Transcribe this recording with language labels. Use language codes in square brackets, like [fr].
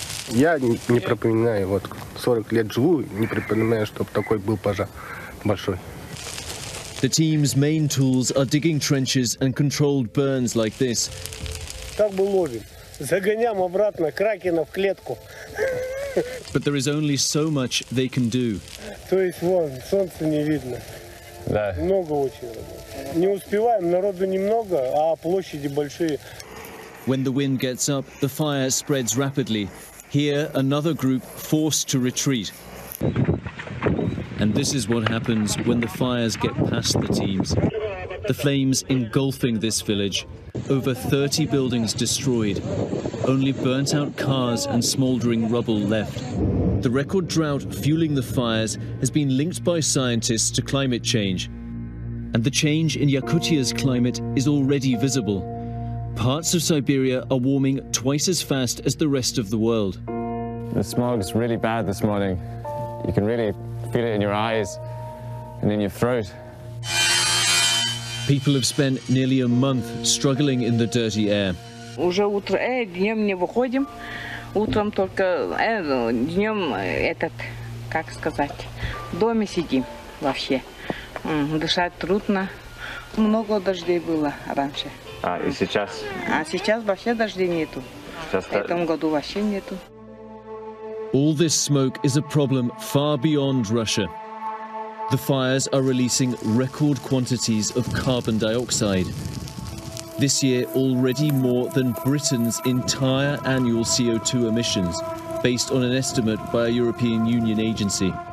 [ru] Я не припоминаю, вот 40 лет живу, не припоминаю, чтобы такой был пожар большой. [en] The team's main tools are digging trenches and controlled burns like this. [ru] Как бы ловим? Загоняем обратно кракена в клетку. [en] But there is only so much they can do. [ru] То есть вон солнце не видно. Да. Много очень. Не успеваем, народу немного, а площади большие. [en] When the wind gets up, the fire spreads rapidly. Here, another group forced to retreat. And this is what happens when the fires get past the teams. The flames engulfing this village. Over 30 buildings destroyed. Only burnt out cars and smoldering rubble left. The record drought fueling the fires has been linked by scientists to climate change. And the change in Yakutia's climate is already visible. Parts of Siberia are warming twice as fast as the rest of the world. The smog is really bad this morning. You can really feel it in your eyes and in your throat. People have spent nearly a month struggling in the dirty air. [ru] Уже утро, днем не выходим. Утром только днем этот, как сказать, в доме сидим вообще. Дышать трудно. Много дождей было раньше. А сейчас вообще дождей нету. В этом году вообще нету. [en] All this smoke is a problem far beyond Russia. The fires are releasing record quantities of carbon dioxide. This year, already more than Britain's entire annual CO2 emissions, based on an estimate by a European Union agency.